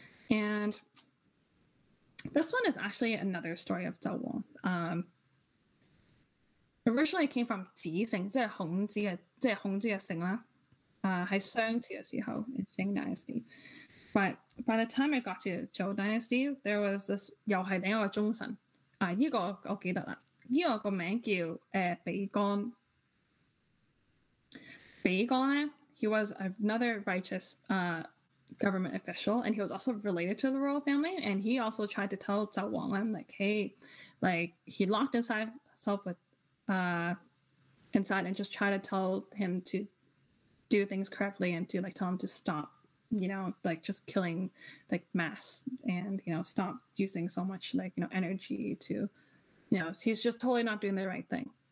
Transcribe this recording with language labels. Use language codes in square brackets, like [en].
[en] And this one is actually another story of Zhou Wong. [yue] Originally came from 子姓，即係孔子嘅，即係孔子嘅姓啦。喺商朝嘅時候 [en] ，in Qing Dynasty。But by the time it got to Zhou Dynasty, there was this [yue] 又係另一個忠臣。依個我記得啦，依個個名叫比干。 [en] 比干咧 ，he was another righteous government official, and he was also related to the royal family. And he also tried to tell Zhou Wong like, hey, like he locked himself with inside and just try to tell him to do things correctly and to like tell him to stop, you know, like just killing like mass and, you know, stop using so much like, you know, energy to, you know, he's just totally not doing the right thing.